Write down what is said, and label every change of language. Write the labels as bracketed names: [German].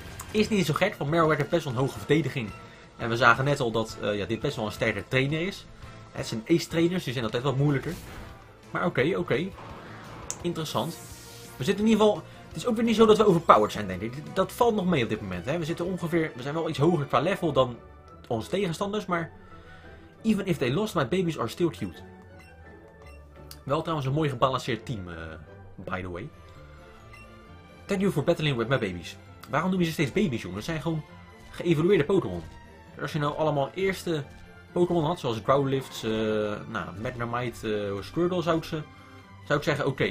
[Dutch] Is niet zo gek, want Marowak heeft best wel een hoge verdediging. En we zagen net al dat dit best wel een sterke trainer is. Het zijn ace trainers, die zijn altijd wat moeilijker. Maar oké. Interessant. We zitten in ieder geval... Het is ook weer niet zo dat we overpowered zijn, denk ik. Dat valt nog mee op dit moment. Hè. We zijn wel iets hoger qua level dan onze tegenstanders, maar... [English] Even if they lost, my babies are still cute. [Dutch] Wel trouwens een mooi gebalanceerd team, [English] by the way. Thank you for battling with my babies. [Dutch] Waarom noem je ze steeds baby's, jongen? Het zijn gewoon geëvolueerde Pokémon. Als je nou allemaal eerste Pokémon had, zoals Growlithe, Magnemite, Squirtle, zou ik zeggen oké.